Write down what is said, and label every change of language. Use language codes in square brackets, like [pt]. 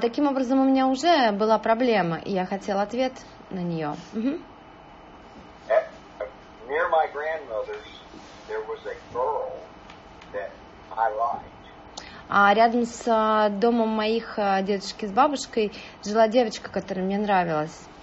[ru] Таким образом, у меня уже была проблема, и я хотел ответ на нее. [en] Near my grandmother's, there was a girl that I liked. [ru] Рядом с домом моих дедушки с бабушкой жила девочка, которая мне нравилась.